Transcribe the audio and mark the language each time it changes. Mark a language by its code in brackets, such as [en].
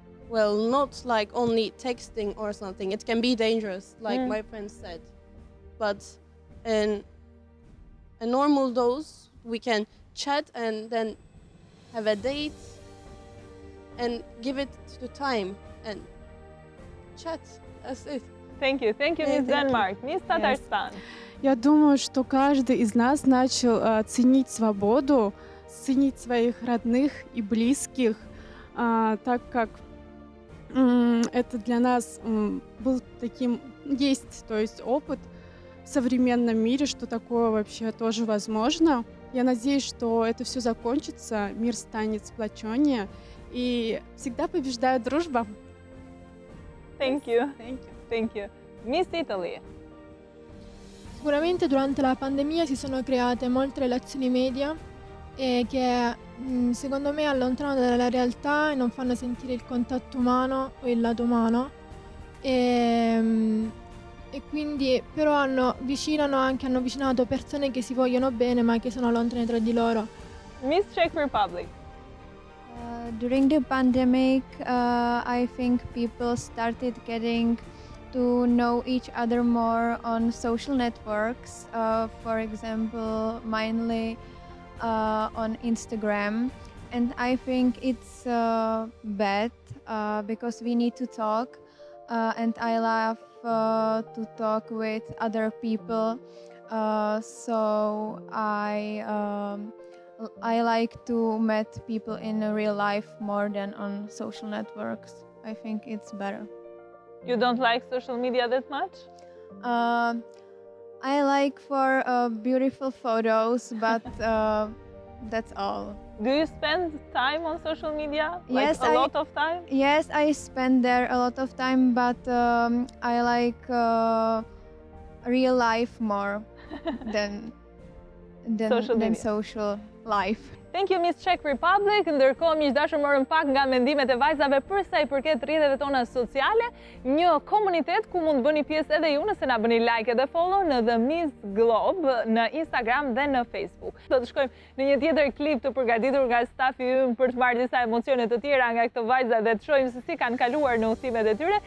[en] Well, not like only texting or something. It can be dangerous, like my friend said. But in a normal dose, we can chat and then have a date and give it the time and chat. That's it. Thank you. Thank you, Miss Denmark. Miss Tatarstan. [ru] Я думаю, что каждый из нас начал ценить свободу, ценить своих родных и близких, так как это для нас был таким, есть, то есть опыт в современном мире, что такое вообще тоже возможно. Я надеюсь, что это все закончится, мир станет сплоченнее, и всегда побеждает дружба. [en] Thank you. Thank you. Miss Italy. [it] Sicuramente durante la pandemia si sono create molte relazioni media e che secondo me allontanano dalla realtà e non fanno sentire il contatto umano o il lato umano e quindi però hanno avvicinato persone che si vogliono bene ma che sono lontane tra di loro. [en] Miss Czech Republic. During the pandemic I think people started getting to know each other more on social networks, for example mainly on Instagram, and I think it's bad because we need to talk and I love to talk with other people, so I like to meet people in real life more than on social networks. I think it's better. You don't like social media that much? I like for beautiful photos, but that's all. Do you spend time on social media? Yes, a lot of time? Yes, I spend there a lot of time, but I like real life more than social life. Thank you, Miss Czech Republic. [sq] Ndërkohë, miq dashur, morëm pak nga mendimet e vajzave për sa i përket rrjeteve tona sociale, një komunitet ku mund bëni pjesë edhe ju nëse na bëni like edhe follow në The Miss Globe në Instagram dhe në Facebook. Do të shkojmë në një tjetër klip të përgatitur nga stafi ynë për të marrë disa emocione të tjera nga këto vajza dhe të shohim se si kanë kaluar në udhëtimet e tyre.